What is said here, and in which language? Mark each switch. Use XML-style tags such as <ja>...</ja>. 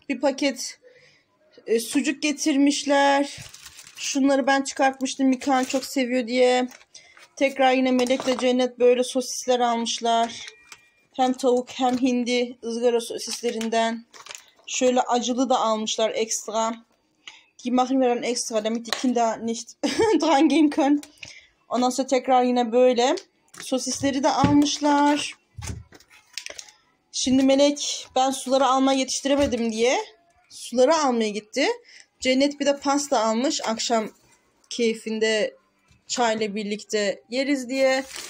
<tr>Bir paket sucuk getirmişler. Şunları ben çıkartmıştım. Mikan çok seviyor diye. Tekrar yine Melek'le Cennet böyle sosisler almışlar. Hem tavuk hem hindi ızgara sosislerinden. Şöyle acılı da almışlar ekstra.</tr> <de>Die machen wir dann extra, damit die Kinder nicht dran gehen können.</de> <tr>Ondan sonra tekrar yine böyle sosisleri de almışlar. Şimdi Melek ben suları almaya yetiştiremedim diye suları almaya gitti. Cennet bir de pasta almış. Akşam keyfinde çayla birlikte yeriz diye.</tr>